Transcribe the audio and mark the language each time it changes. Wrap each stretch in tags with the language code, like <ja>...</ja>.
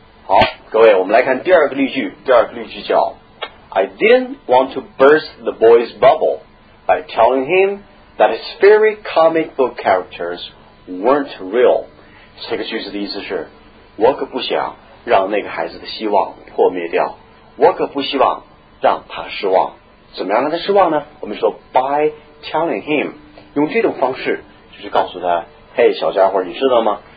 <zh>好，各位，我们来看第二个例句。第二个例句叫</zh> <en>I didn't want to burst the boy's bubble by telling him that his favorite comic book characters weren't real.</en> <zh>这个句子的意思是，我可不想让那个孩子的希望破灭掉，我可不希望让他失望。怎么样让他失望呢？我们说</zh> <en>by telling him，</en> <zh>用这种方式就是告诉他，嘿，小家伙，你知道吗？</zh>